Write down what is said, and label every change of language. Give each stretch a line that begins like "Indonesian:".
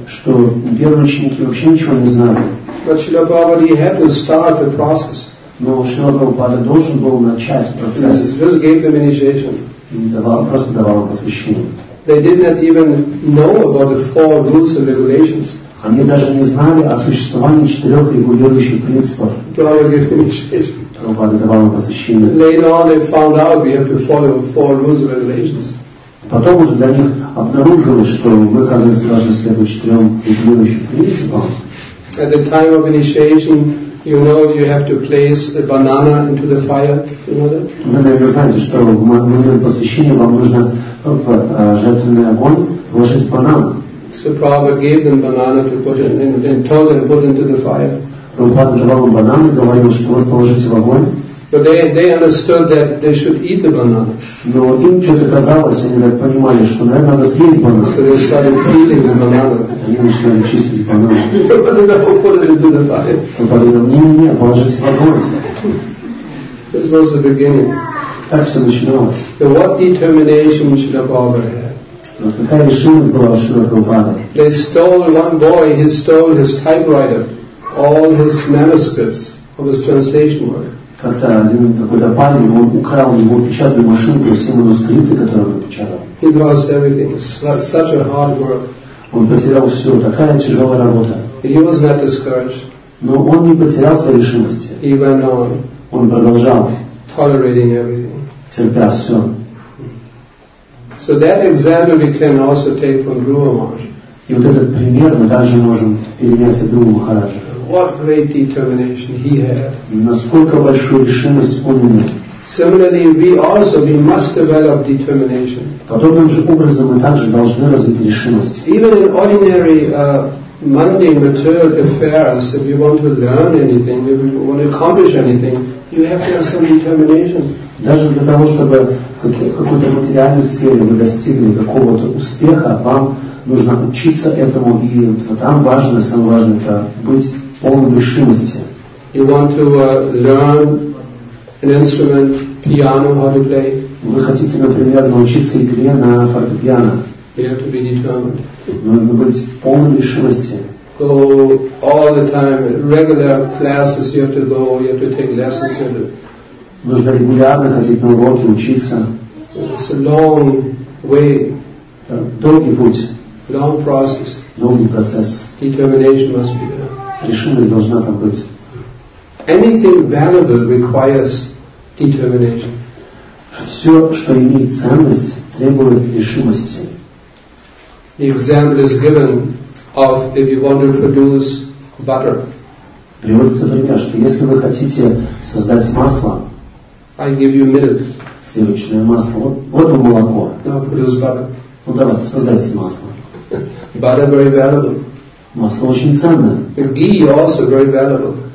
Russian: Что первые ученики вообще ничего не знали.
English: But Srila Prabhupada, he had to start the process.
Russian: Но Шрила Прабхупада должен был начать процесс.
English: He just gave them initiation.
Russian: Просто давал посвящение.
English: They did not even know about the four rules and regulations.
Russian: Они даже не знали о существовании четырех регулирующих принципов.
English: Prabhupada gave them initiation.
Russian: Прабхупада давал посвящение.
English: Later on, they found out we have to follow four rules and regulations.
Russian: Потом уже для них обнаружилось, что мы, оказывается, должны следовать четырем регулирующим принципам.
English: At the time of initiation, you know you have to place a banana into the fire. You know that?
Russian: Вы, наверное, знаете, что в момент посвящения вам нужно в жертвенный огонь вложить банан.
English: So Prabhupada gave them banana to put in and told them to put into the fire.
Russian: Прабхупада давал им бананы, говорил, что вы положите в огонь.
English: But they understood that they should eat the banana.
Russian: Но им что-то казалось, они так понимали, что, наверное, надо съесть банан.
English: So they started eating the banana.
Russian: Они начинали чистить банан. Не, положите в огонь.
English: This was the beginning.
Russian: Так все начиналось.
English: So what determination Srila Prabhupada had?
Russian: Вот какая решимость была у Шрила Прабхупады.
English: They stole one boy, he stole his typewriter, all his manuscripts of his translation work.
Russian: Как-то один какой-то парень, он украл у него печатную машинку и все манускрипты, которые он печатал.
English: He lost everything. It's such a hard work.
Russian: Он потерял все. Такая тяжелая работа.
English: He was not discouraged.
Russian: Но он не потерял своей решимости.
English: He went on.
Russian: Он продолжал.
English: Tolerating everything.
Russian: Терпя все.
English: So that example we can also take from Guru Maharaj.
Russian: И вот этот пример мы также можем перенять от Гуру Махараджа.
English: What great determination he had.
Russian: Насколько большую решимость он имел.
English: Similarly, we must develop determination.
Russian: Подобным же образом мы также должны развить решимость.
English: Even in ordinary mundane material affairs, if you want to learn anything, if you want to accomplish anything, you have to have some determination.
Russian: Даже для того, чтобы в какой-то материальной сфере вы достигли какого-то успеха, вам нужно учиться этому, и там важно, самое важное, это быть полной решимости.
English: You want to learn an instrument, piano, how to play.
Russian: Вы хотите, например, научиться игре на фортепиано.
English: You have to be determined.
Russian: Нужно быть полной решимости.
English: Go all the time, regular classes you have to go, you have to take lessons.
Russian: Нужно регулярно ходить на уроки, учиться.
English: It's a long way.
Russian: Долгий путь.
English: Long process.
Russian: Долгий процесс.
English: Determination must be there.
Russian: Решимость должна там быть.
English: Anything valuable requires determination.
Russian: Все, что имеет ценность, требует решимости.
English: The example is given of if you want to produce butter.
Russian: Приводится пример, что если вы хотите создать масло,
English: I give you milk.
Russian: Сливочное масло. Вот вам молоко.
English: Now produce butter.
Russian: Ну давайте, создайте масло.
English: Butter very valuable.
Russian: Масло очень ценное.
English: The ghee also very valuable.